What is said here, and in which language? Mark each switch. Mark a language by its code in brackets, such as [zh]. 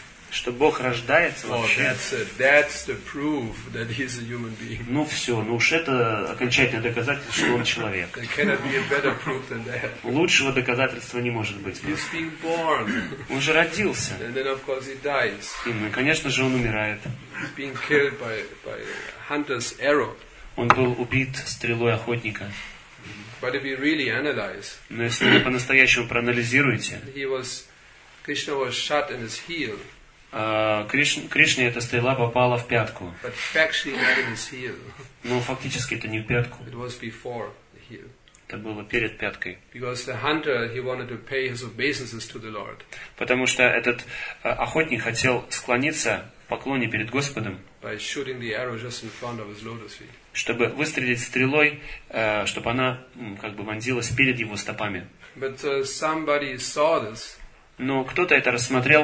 [ru] Что Бог рождается вообще. [en] That's the proof that he's a human being. [ru] Ну все, ну уж это окончательное доказательство, что он человек. [en] There cannot be a better proof than that. [ru] Лучшего доказательства не может быть. [en] He's being born. [ru] Он же родился. [en] And then, of course, he dies. [ru] И, ну, конечно же, он умирает. [en] He's being killed by hunter's arrow. [ru] Он был убит стрелой охотника. [en] But if you really analyze, [ru] но если вы по-настоящему проанализируете, [en] Krishna was shot in his heel. [ru] Кришне эта стрела попала в пятку. [en] But factually not in his heel. [ru] Но фактически это не в пятку. [en] It was before the heel. [ru] Это было перед пяткой. [en] Because the hunter, he wanted to pay his obeisances to the Lord. [ru] Потому что этот охотник хотел склониться в поклоне перед Господом. [en] By shooting the arrow just in front of his lotus feet. [ru] Чтобы выстрелить стрелой, чтобы она как бы вонзилась перед его стопами. [en] But somebody saw this. [ru] Но кто-то это рассмотрел,